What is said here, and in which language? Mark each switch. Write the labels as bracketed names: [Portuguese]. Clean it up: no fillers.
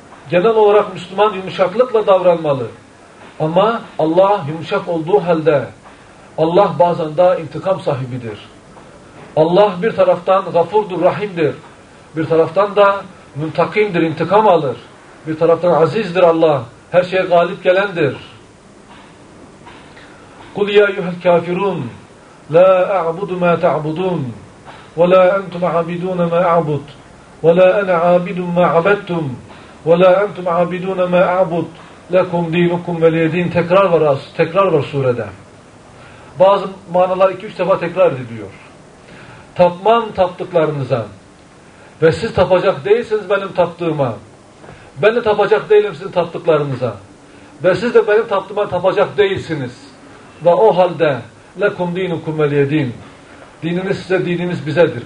[Turkish] Genel olarak Müslüman yumuşaklıkla davranmalı. Ama Allah yumuşak olduğu halde Allah bazen daha intikam sahibidir. Allah bir taraftan gafurdur, rahimdir. Bir taraftan da müntakimdir, intikam alır. Bir taraftan azizdir Allah, her şeye galip gelendir. [Arabic] قُلْ يَا اَيُّهَا الْكَافِرُونَ لَا اَعْبُدُ مَا تَعْبُدُونَ وَلَا اَنْتُمْ عَابِدُونَ مَا اَعْبُدُ وَلَا اَنَا عَابِدٌ مَا عَبَدْتُمْ وَلَا اَنْتُمْ عَابِدُونَ مَا اَعْبُدُ لَكُمْ دِينُكُمْ وَلِيَدِينَ [Turkish] Tekrar var az, tekrar var surede. Bazı manalar 2-3 defa tekrar ediliyor. Tapmam taptıklarınıza ve siz tapacak değilsiniz benim taptığıma. Ben de tapacak değilim sizin taptıklarınıza. Ve siz de benim taptığıma tapacak değilsiniz. Ve o halde lekum dinukum veliye din. Dininiz size, dininiz bizedir.